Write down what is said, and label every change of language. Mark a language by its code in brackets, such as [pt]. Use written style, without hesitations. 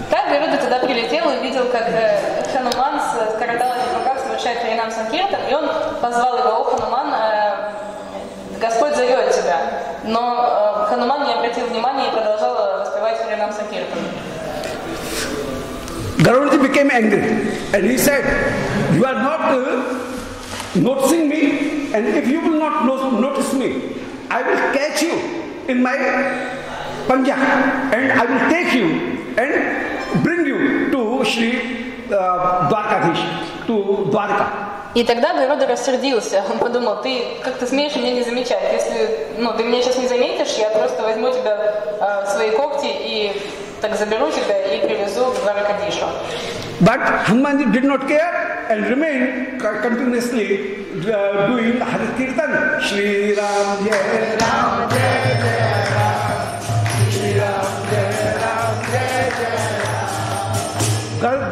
[ru] Гаруда тогда прилетел и видел, как Хануман с караталами в руках совершает Харинам Санкиртан, и он позвал его: «О, Хануман, Господь зовет тебя». Но Хануман не обратил внимания и продолжал воспевать Харинам Санкиртан. [en] Гаруда became angry, and he said, «You are not noticing me, and if you will not notice me, I will catch you in my panja, and I will take you and bring you to Shri Dwarkadhish, to Dwarka». [ru] И тогда Гаруда рассердился. Он подумал, ты как-то смеешь меня не замечать. Если ты меня сейчас не заметишь, я просто возьму тебя в свои когти и так заберу тебя и привезу в Дваркадишу. [en] But Hanumanji did not care and remained continuously doing Hari Kirtan. [sa] Shri Ram Jai Ram Jai Jai Ram.